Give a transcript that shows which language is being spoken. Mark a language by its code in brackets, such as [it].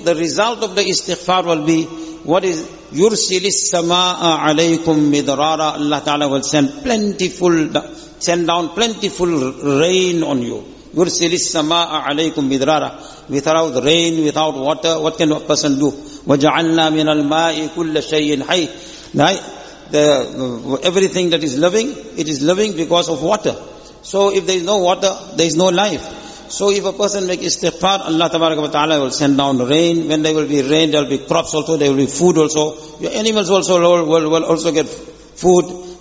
[en] The result of the istighfar will be, what is, [ar] يُرْسِلِ السَّمَاءَ عَلَيْكُمْ مِدْرَارًا, [en] Allah Ta'ala will send down plentiful rain on you. [ar] يُرْسِلِ السَّمَاءَ عَلَيْكُمْ مِدْرَارًا, [en] without rain, without water, what can a person do? [ar] وَجَعَلْنَا مِنَ الْمَاءِ كُلَّ شَيْءٍ حَيٍّ, [en] right? Everything that is living, it is living because of water. So if there is no water, there is no life. So if a person make istighfar, Allah tabaraka wa ta'ala will send down rain. When there will be rain, there will be crops also, there will be food also. Your animals also will also get food.